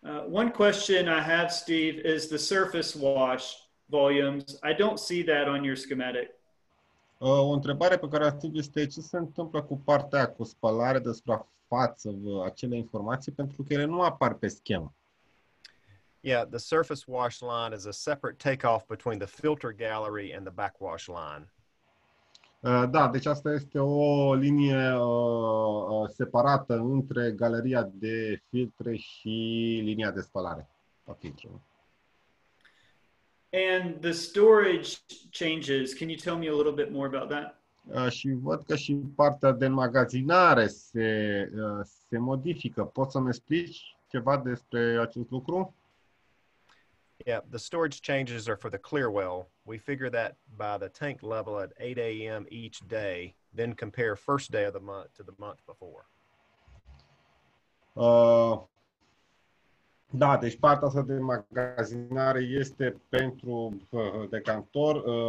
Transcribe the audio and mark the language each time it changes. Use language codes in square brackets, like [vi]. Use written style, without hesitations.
[en] One question I have, Steve, is the surface wash volumes. I don't see that on your schematic. [ro] O întrebare pe care ați este ce se întâmplă cu partea cu spălare de suprafață, acele informații, pentru că ele nu apar pe schemă. [en] Yeah, the surface wash line is a separate takeoff between the filter gallery and the backwash line. [ro] Da, deci asta este o linie separată între galeria de filtre și linia de spălare a filtrului. [en] And the storage changes. Can you tell me a little bit more about that? [ro] Și văd că și partea de înmagazinare se modifică. Poți să-mi explici ceva despre acest lucru? [en] Yeah, the storage changes are for the clear well. We figure that by the tank level at 8 a.m. each day, then compare first day of the month to the month before. [ro] Da, deci partea asta de magazinare este pentru decantor.